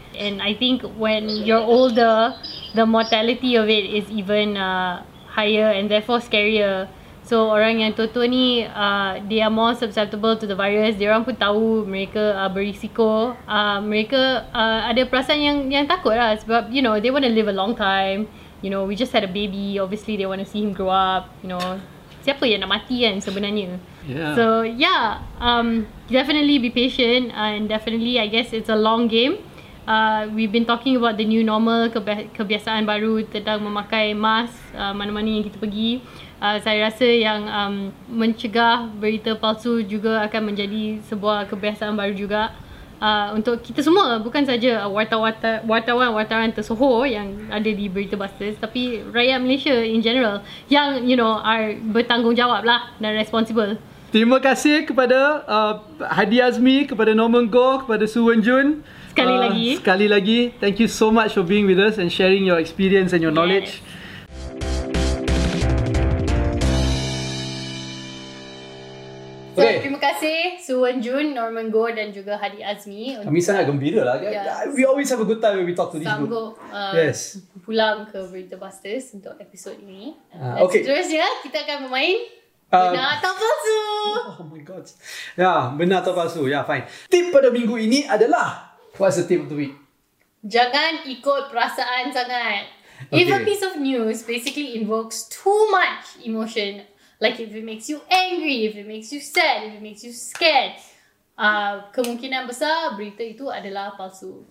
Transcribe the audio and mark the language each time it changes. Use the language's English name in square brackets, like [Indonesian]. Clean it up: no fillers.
[English] And I think when you're older, the mortality of it is even higher and therefore scarier. So [Malay] orang yang tua-tua ni, [English] they are more susceptible to the virus. [Malay] Dia orang pun tahu mereka berisiko. Mereka ada perasaan yang takut lah. [English] Sebab, you know, they want to live a long time. You know, we just had a baby. Obviously, they want to see him grow up. You know, [Malay] siapa yang nak mati kan sebenarnya? [English] Yeah. So, yeah. Definitely be patient. And definitely, I guess, it's a long game. We've been talking about the new normal, [Malay] kebiasaan baru tentang memakai mask mana-mana yang kita pergi. Saya rasa yang mencegah berita palsu juga akan menjadi sebuah kebiasaan baru juga untuk kita semua, bukan saja wartawan-wartawan tersohor yang ada di Berita Busters, tapi rakyat Malaysia [English] in general [Malay] yang, [English] you know, [Malay] are bertanggungjawab lah dan responsible. Terima kasih kepada Hadi Azmi, kepada Norman Goh, kepada Su Wen Jun. Sekali lagi, [English] thank you so much for being with us and sharing your experience and your knowledge. [Malay] So, okay. Terima kasih Su Wen Jun, Norman Goh dan juga Hadi Azmi. Kami sangat gembira lah. Yes. [English] We always have a good time when we talk to these people. Yes. [Malay] Pulang ke Berita Busters untuk episod ini. Okay. Seterusnya, kita akan bermain benar atau palsu. [English] Oh my god. [Malay] Ya, benar atau palsu. Ya, fine. Tip pada minggu ini adalah, [English] what's the tip of the week? [Malay] Jangan ikut perasaan sangat. [English] Okay. If a piece of news basically invokes too much emotion, like if it makes you angry, if it makes you sad, if it makes you scared, [Malay] kemungkinan besar berita itu adalah palsu.